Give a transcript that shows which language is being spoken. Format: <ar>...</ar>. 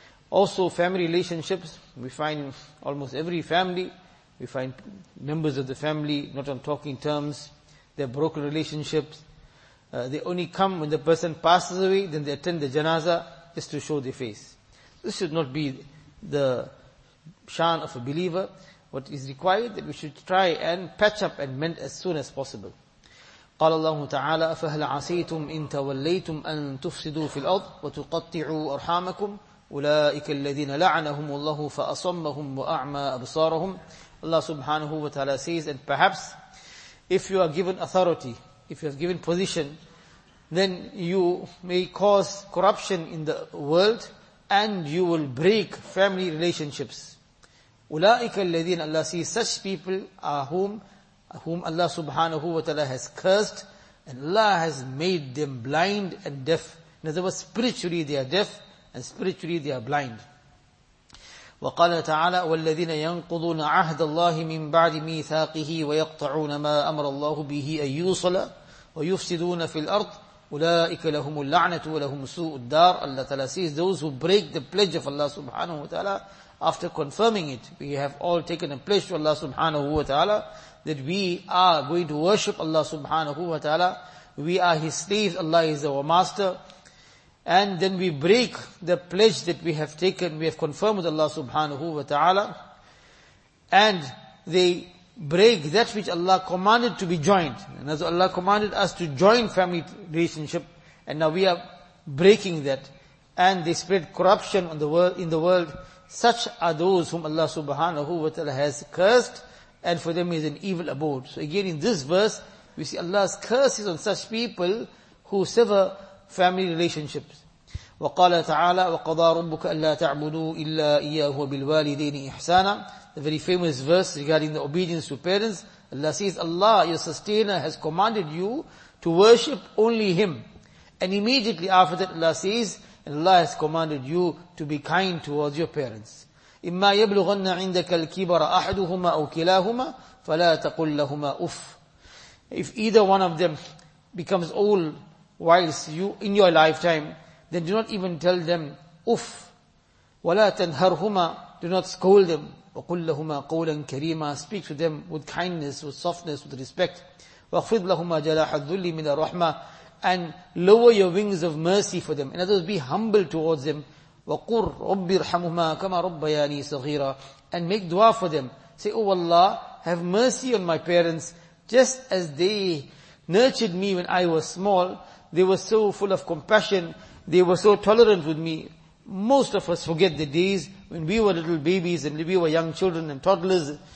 <en>Also, family relationships, we find almost every family, we find members of the family not on talking terms, they have broken relationships. They only come when the person passes away, then they attend the janaza just to show their face. This should not be the shan of a believer. What is required, that we should try and patch up and mend as soon as possible.</en> <ar>قال الله تعالى فهل عسيتم إن توليتم أن تفسدوا في الأرض وتقطعوا أرحامكم أولئك الذين لعنهم الله فأصمهم وأعمى أبصارهم.</ar> <en>Allah subhanahu wa ta'ala says, and perhaps if you are given authority, if you are given position, then you may cause corruption in the world and you will break family relationships.</en> <ar>أُولَٰئِكَ الَّذِينَ</ar> <en>Allah says, such people are whom Allah subhanahu wa ta'ala has cursed, and Allah has made them blind and deaf. In other words, spiritually they are deaf and spiritually they are blind.</en> <ar>وقال تعالى والذين ينقضون عهد الله من بعد ميثاقه ويقطعون ما أمر الله به أن يوصل ويفسدون في الأرض أولئك لهم اللعنة ولهم سوء الدار.</ar> <en>Allah Ta'ala says, those who break the pledge of Allah subhanahu wa ta'ala after confirming it, we have all taken a pledge to Allah subhanahu wa ta'ala that we are going to worship Allah subhanahu wa ta'ala, we are his slaves, Allah is our master. And then we break the pledge that we have taken, we have confirmed with Allah subhanahu wa ta'ala. And they break that which Allah commanded to be joined. And as Allah commanded us to join family relationship, and now we are breaking that. And they spread corruption on the world, in the world. Such are those whom Allah subhanahu wa ta'ala has cursed, and for them is an evil abode. So again, in this verse, we see Allah's curses on such people who sever family relationships.</en> <ar>وقال تعالى وقضى ربك ألا تعبدوا إلا إياه وبالوالدين إحسانا.</ar> <en>The very famous verse regarding the obedience to parents. Allah says, Allah, your sustainer, has commanded you to worship only him. And immediately after that, Allah says, and Allah has commanded you to be kind towards your parents.</en> <ar>إما يبلغن عندك الكبر أحدهما أو كلاهما فلا تقل لهما أف.</ar> <en>If either one of them becomes old whilst you, in your lifetime, then do not even tell them, uff.</en> <ar>وَلَا تَنْهَرْهُمَا,</ar> <en>do not scold them.</en> <ar>وَقُلْ لَهُمَا قَوْلًا كَرِيمًا,</ar> <en>speak to them with kindness, with softness, with respect.</en> <ar>وَخْفِضْ لَهُمَا جَلَاحَ الذُّلِّ مِنَ الرَّحْمَةِ,</ar> <en>and lower your wings of mercy for them. In other words, be humble towards them.</en> <ar>وَقُرْ رَبِّ ارْحَمُهُمَا كَمَا رَبَّيَانِي صَغِيرًا,</ar> <en>and make dua for them. Say, oh Allah, have mercy on my parents, just as they nurtured me when I was small. They were so full of compassion. They were so tolerant with me. Most of us forget the days when we were little babies and we were young children and toddlers.</en>